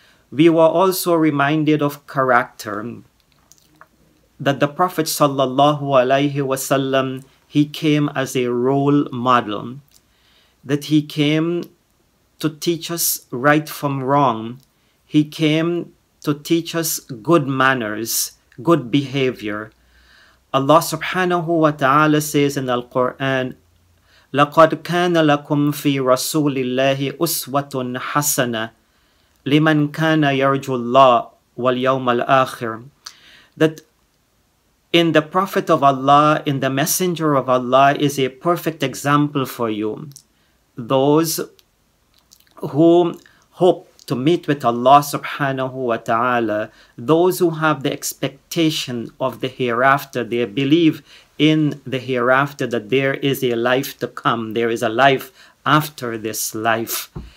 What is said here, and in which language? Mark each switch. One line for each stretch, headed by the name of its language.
English: We were also reminded of character, that the Prophet sallallahu alaihi wasallam, he came as a role model, that he came to teach us right from wrong. He came to teach us good manners, good behavior.
Arabic: Allah subhanahu wa ta'ala says in Al-Quran, لَقَدْ كَانَ لَكُمْ فِي رَسُولِ اللَّهِ أُسْوَةٌ حَسَنَةٌ liman kana yarju Allah wal yawm al akhir,
English: that in the Prophet of Allah, in the Messenger of Allah, is a perfect example for you. Those who hope to meet with Allah subhanahu wa ta'ala, those who have the expectation of the hereafter, they believe in the hereafter, that there is a life to come, there is a life after this life.